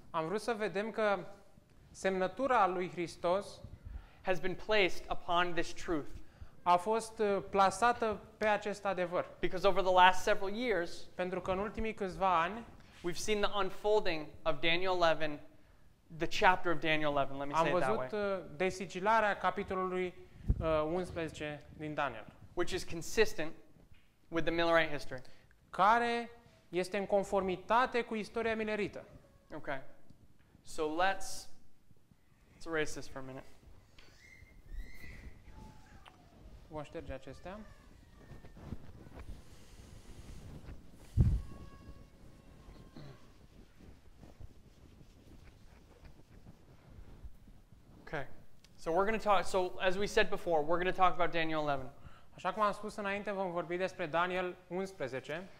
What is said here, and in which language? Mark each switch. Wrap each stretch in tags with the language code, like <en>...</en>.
<ro>Am vrut să vedem că semnătura lui Hristos</ro> <en>has been placed upon this truth.</en> <ro>A fost plasată pe acest adevăr.</ro> <en>Because over the last several years,</en> <ro>pentru că în ultimii câțiva ani,</ro> <en>we've seen the unfolding of Daniel 11, the chapter of Daniel 11, let me say it that way.</en> <ro>Am văzut desigilarea capitolului 11 din Daniel,</ro> <en>which is consistent with the Millerite history.</en> <ro>Care este în conformitate cu istoria milerită.</ro> <en>Okay. So let's erase this for a minute.</en> <ro>Vom șterge acestea.</ro> <en>Okay. So we're going to talk, so as we said before, we're going to talk about Daniel 11.</en> <ro>Așa cum am spus înainte, vom vorbi despre Daniel 11.</ro>